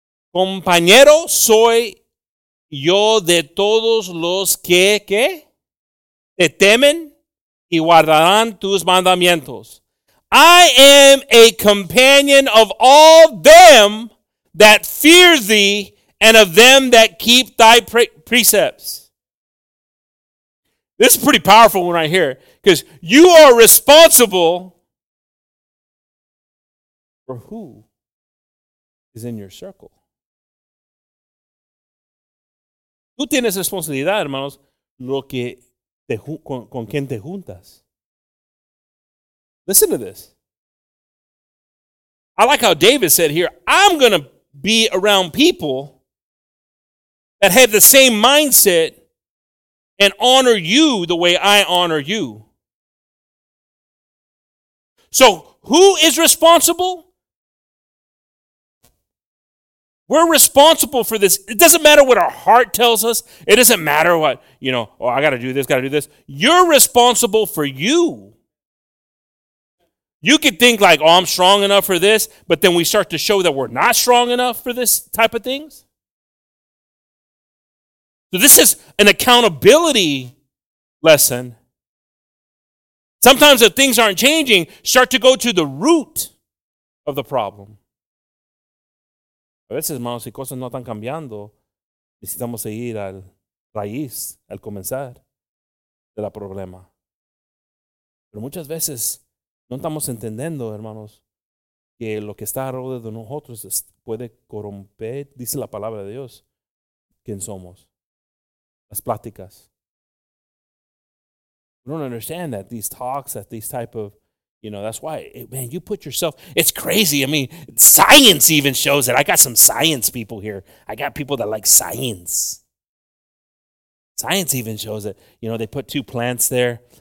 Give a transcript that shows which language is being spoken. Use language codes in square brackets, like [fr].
[es] Compañero soy yo de todos los que te temen y guardarán tus mandamientos. [en] I am a companion of all them that fear thee and of them that keep thy precepts. This is pretty powerful when I hear it, because you are responsible for who is in your circle. [es] Tú tienes responsabilidad, hermanos, lo que con quien te juntas. [en] Listen to this. I like how David said here, I'm going to be around people that have the same mindset and honor you the way I honor you. So who is responsible? We're responsible for this. It doesn't matter what our heart tells us. It doesn't matter what, you know, oh, I got to do this, got to do this. You're responsible for you. You could think like, oh, I'm strong enough for this, but then we start to show that we're not strong enough for this type of things. So this is an accountability lesson. Sometimes if things aren't changing, start to go to the root of the problem. [es] A veces, hermanos, si cosas no están cambiando, necesitamos seguir al raíz, al comenzar de la problema. Pero muchas veces no estamos entendiendo, hermanos, que lo que está alrededor de nosotros puede corromper, dice la palabra de Dios, quién somos, las pláticas. [en] We don't understand that these talks, that these type of, you know, that's why, man, you put yourself, it's crazy. I mean, science even shows it. I got some science people here. I got people that like science. Science even shows it. You know, they put two plants there.